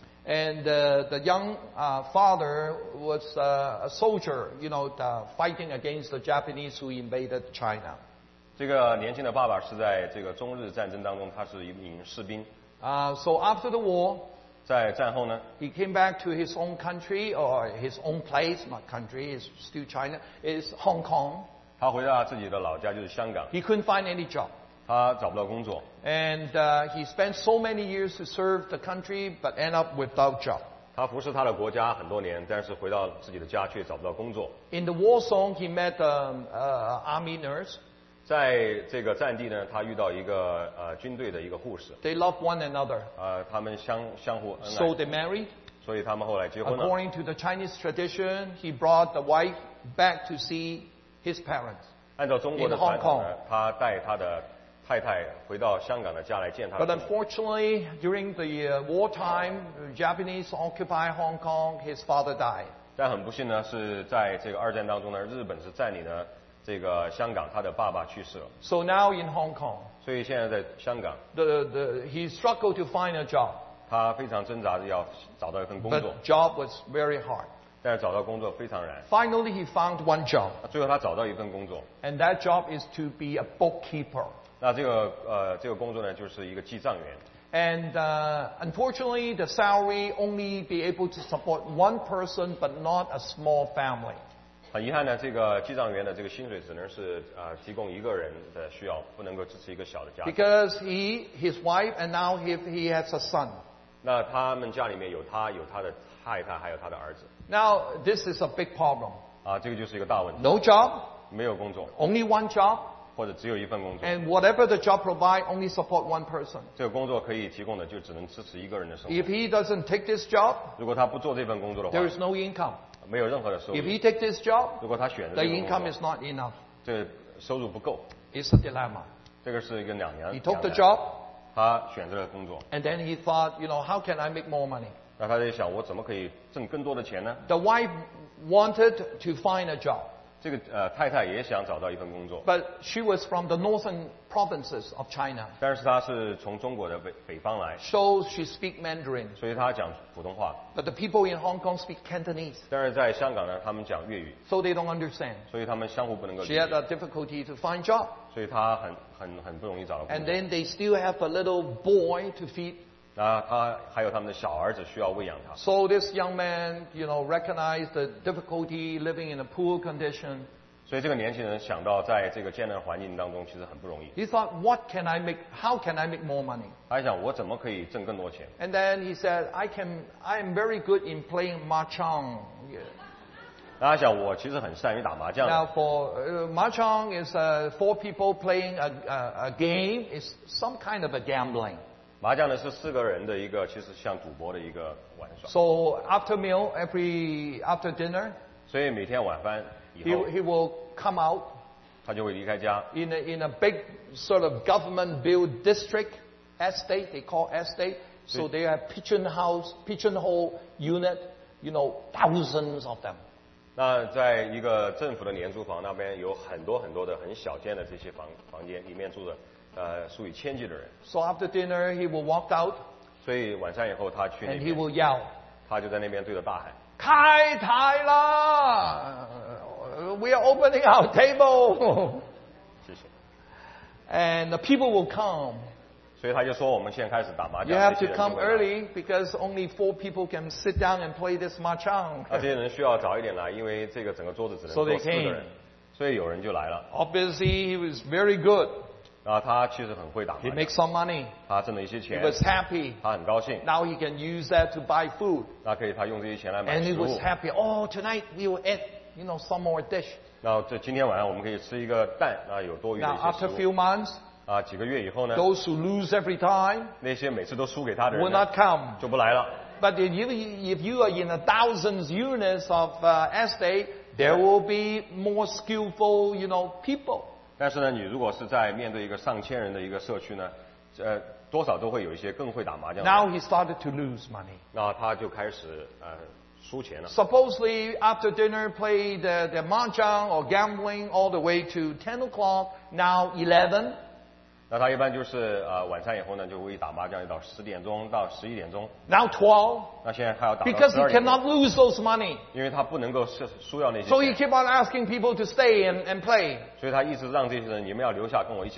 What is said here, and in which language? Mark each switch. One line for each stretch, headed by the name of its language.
English: and the young father was a soldier, you know, fighting against the Japanese who invaded China.
Chinese: 这个年轻的爸爸是在这个中日战争当中, 他是一名士兵。
English: So after the war,
Chinese: 在战后呢,
English: he came back to his own country or his own place. My country is still China, is Hong Kong.
Chinese: 他回到自己的老家, 就是香港,
English: he couldn't find any job.
Chinese: 他找不到工作,
English: and he spent so many years to serve the country but end up without job.
Chinese: 他服侍他的国家很多年, 但是回到自己的家却找不到工作。
English: In the war zone, he met an army nurse.
Chinese: 在这个战地呢, 他遇到一个, 军队的一个护士,
English: they loved one another.
Chinese: 他们相互恩爱,
English: so they married.
Chinese: 所以他们后来结婚了。
English: According to the Chinese tradition, he brought the wife back to see his parents.
Chinese: 按照中国的传统呢,
English: in Hong Kong.
Chinese: 他带他的太太回到香港的家来见他的父母。
English: But unfortunately, during the wartime, Japanese occupied Hong Kong, his father died.
Chinese: 但很不幸呢, 是在这个二战当中呢, 日本是占领呢, 这个香港,
English: so now in Hong Kong,
Chinese: 所以现在在香港,
English: he struggled to find a job.
Chinese: 他非常挣扎着要找到一份工作,
English: but job was very hard.
Chinese: 但是找到工作非常难,
English: finally, he found one job.
Chinese: 最后他找到一份工作,
English: and that job is to be a bookkeeper.
Chinese: 那这个, 这个工作呢, 就是一个记账员,
English: and unfortunately, the salary only be able to support one person, but not a small family.
Chinese: 很遗憾呢, 这个记账员的这个薪水只能是, 提供一个人的需要, 不能够支持一个小的家庭。
English: Because he, his wife, and now he has a son.
Chinese: 那他们家里面有他, 有他的太太, 还有他的儿子。
English: Now, this is a big problem.
Chinese: 这个就是一个大问题。
English: No job.
Chinese: 没有工作。
English: Only one job.
Chinese: 或者只有一份工作。
English: And whatever the job provide, only support one person.
Chinese: 这个工作可以提供的就只能支持一个人的生活。
English: If he doesn't take this job,
Chinese: 如果他不做这份工作的话,
English: there is no income.
Chinese: 没有任何的收入,
English: if he takes this job,
Chinese: 如果他选择这个工作,
English: the income is not enough.
Chinese: 这收入不够,
English: it's a dilemma.
Chinese: 这个是一个两难,
English: he took the job,
Chinese: 他选择了工作,
English: and then he thought, you know, how can I make more money?
Chinese: 那他在想, 我怎么可以挣更多的钱呢?
English: The wife wanted to find a job.
Chinese: 这个, 太太也想找到一份工作,
English: but she was from the northern provinces of China.
Chinese: 但是她是从中国的北方来,
English: so she speaks Mandarin.
Chinese: 所以她讲普通话,
English: but the people in Hong Kong speak Cantonese.
Chinese: 但是在香港呢, 他们讲粤语,
English: so they don't understand.
Chinese: 所以他们相互不能够理解,
English: she had a difficulty to find job.
Chinese: 所以她很不容易找到工作,
English: and then they still have a little boy to feed.
Chinese: 他还有他们的小儿子需要喂养他。
English: So this young man, you know, recognized the difficulty living in a poor condition.
Chinese: 所以这个年轻人想到在这个艰难环境当中其实很不容易。
English: He thought, what can I make? How can I make more money?
Chinese: 他想我怎么可以挣更多钱？
English: And then he said, I am very good in playing mahjong.
Chinese: 他想我其实很善于打麻将。
English: Now for mahjong is four people playing a game. It's some kind of a gambling.
Chinese: 麻将呢是四个人的一个其实像赌博的一个玩耍。
English: So after meal, every after dinner,
Chinese: 所以每天晚饭以后,
English: he will come out,
Chinese: 他就会离开家,
English: in a big sort of government built district estate, they call estate, so they have pigeon house, pigeon hole unit, you know, thousands of them.
Chinese: 那在一个政府的廉租房, 那边有很多很多的很小间的这些房间, 里面住着, 数以千计的人。
English: So after dinner, he will walk out.
Chinese: 所以晚上以后他去那边,
English: and he will yell.
Chinese: 他就在那边对着大喊, 开台啦!
English: We are opening our table.
Chinese: 谢谢。
English: And the people will come.
Chinese: 所以他就说我们现在开始打麻将。
English: You have to come early because only four people can sit down and play this mahjong.
Chinese: 这些人需要早一点来, 因为这个整个桌子只能坐四个人。
English: So they came.
Chinese: 所以有人就来了。
English: Obviously, he was very good.
Chinese: 他其实很会打麻将,
English: he makes some money.
Chinese: 他挣了一些钱,
English: he was happy.
Chinese: 他很高兴,
English: now he can use that to buy food.
Chinese: 那可以他用这些钱来买食物,
English: and he was happy. Oh, tonight we will eat, you know, some more dish.
Chinese: 那这今天晚上我们可以吃一个蛋, 那有多余的一些食物。
English: Now after a few months,
Chinese: 几个月以后呢,
English: those who lose every time,
Chinese: 那些每次都输给他的人呢,
English: will not come,
Chinese: 就不来了。
English: But if you are in a thousands units of estate, there will be more skillful, you know, people.
Chinese: 但是呢, 你如果是在面对一个上千人的一个社区呢, 多少都会有一些更会打麻将的。
English: Now he started to lose money.
Chinese: 那他就开始,输钱了。
English: Supposedly after dinner play the mahjong or gambling all the way to 10 o'clock, now 11.
Chinese: 那他一般就是晚餐以后呢就会打麻将到10点钟到11点钟。
English: Now 12.
Chinese: 那现在他要打到 12点钟。
English: Because he cannot lose those money.
Chinese: 因为他不能够输掉那些
English: 钱。So he keep on asking people to stay and play.
Chinese: 所以他一直让这些人你们要留下跟我一起